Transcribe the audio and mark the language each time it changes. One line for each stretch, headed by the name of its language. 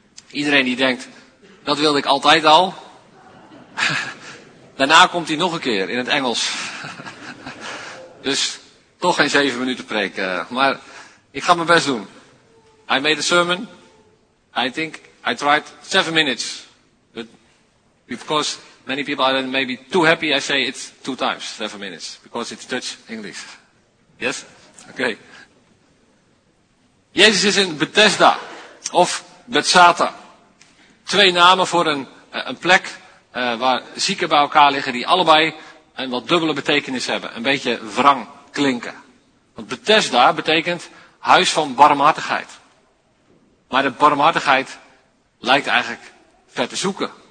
Dutch: Iedereen die denkt, dat wilde ik altijd al. Daarna komt hij nog een keer in het Engels. Dus toch geen 7 minuten preken. Maar ik ga mijn best doen.
English: I made a sermon. I think I tried 7 minutes. But because many people are maybe too happy, I say it 2 times, 7 minutes. Because it's Dutch English. Yes? Okay.
Dutch: Jezus is in Bethesda of Bethzatha. 2 namen voor een plek waar zieken bij elkaar liggen die allebei een wat dubbele betekenis hebben. Een beetje wrang klinken. Want Bethesda betekent huis van barmhartigheid. Maar de barmhartigheid lijkt eigenlijk ver te zoeken.